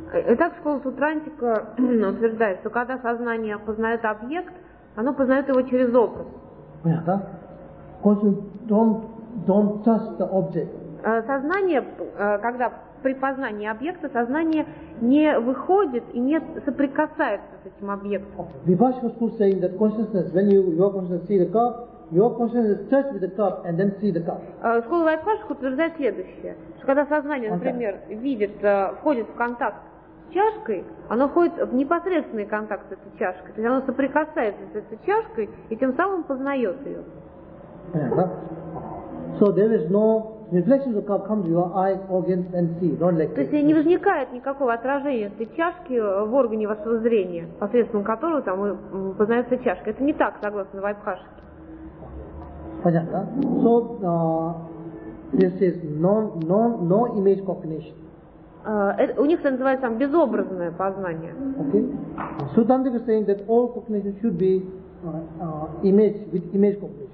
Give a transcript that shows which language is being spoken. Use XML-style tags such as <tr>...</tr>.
<ru>Итак, школа Сутрантика утверждает, что когда сознание познает объект, оно познает его через образ. Понятно?</ru> <en>Because you don't touch the object.</en> <ru>Сознание, когда при познании объекта, сознание не выходит и не соприкасается с этим объектом.</ru> <en>Vipassana school saying that consciousness, when your consciousness see the cup, your consciousness touch with the cup and then see the cup.</en> <ru>Школа Вайпашика утверждает следующее, что когда сознание, например, видит, входит в контакт с чашкой, оно входит в непосредственный контакт с этой чашкой, то есть оно соприкасается с этой чашкой и тем самым познает ее.</ru> <en>So there is no reflection of the cup come to your eye, organs, and see, not like this.</en> <ru>То есть не возникает никакого отражения этой чашки в органе вашего зрения, посредством которого там познается чашка. Это не так, согласно Вайпхашике. Понятно, да?</ru> <en>So, this is no image cognition.</en> <ru>У них это называется там безобразное познание.</ru> <en>Okay. Suttantika saying that all cognition should be image with image cognition.</en>